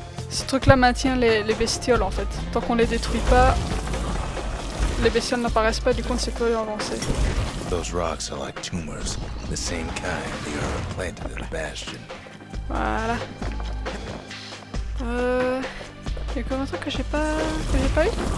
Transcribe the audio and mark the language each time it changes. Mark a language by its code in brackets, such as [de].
[fr] Ce truc-là maintient les bestioles en fait. Tant qu'on les détruit pas, les bestioles n'apparaissent pas, du coup on ne sait plus rien lancer. [en] Those rocks are like tumors, the same kind the Ura planted in the bastion. [fr] Voilà. Il y a comme un truc que j'ai pas eu.